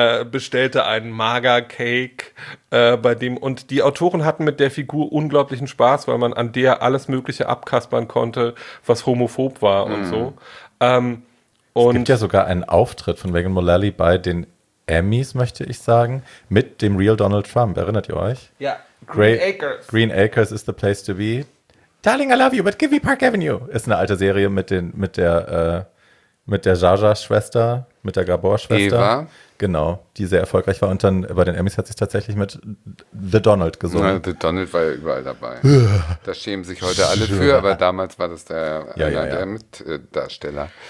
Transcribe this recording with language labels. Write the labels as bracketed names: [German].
[German] Bestellte einen Mager-Cake. Und die Autoren hatten mit der Figur unglaublichen Spaß, weil man an der alles Mögliche abkaspern konnte, was homophob war und so. Es gibt ja sogar einen Auftritt von Megan Mullally bei den Emmys, möchte ich sagen, mit dem Real Donald Trump. Erinnert ihr euch? Ja, [English] Acres. Green Acres is the place to be. Darling, I love you, but give me Park Avenue. [German] Ist eine alte Serie mit der Jaja-Schwester, mit der Gabor-Schwester. Eva. Genau, die sehr erfolgreich war. Und dann bei den Emmys hat sich tatsächlich mit The Donald gesungen. Ja, The Donald war ja überall dabei. Da schämen sich heute alle für, aber damals war das der Mitdarsteller.